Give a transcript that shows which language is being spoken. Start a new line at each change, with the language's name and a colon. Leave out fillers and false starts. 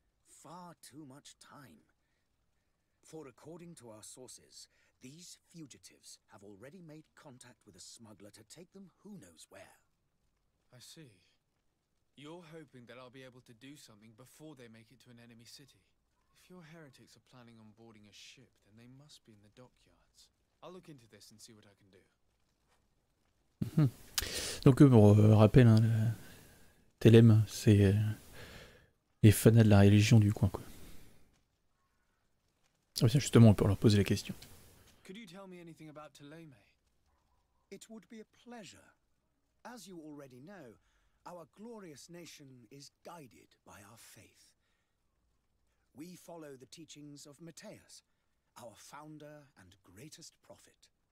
English: Far too much time. For according to our sources, these fugitives have already made contact with a smuggler to take them who knows where. I see. You're hoping that I'll be able to do something before they make it to an enemy city. If your heretics are planning on boarding a ship, then they must be in the dockyards. I'll look into this and see what I can do.
French: Donc pour rappel, hein, Télim, c'est les fanats de la religion du coin, quoi. Ah bien, justement, on peut leur poser la question.
English: Could you tell me anything about Télim? It would be a pleasure. As you already know, our glorious nation is guided by our faith. We follow the teachings of Matthias, our founder and greatest prophet.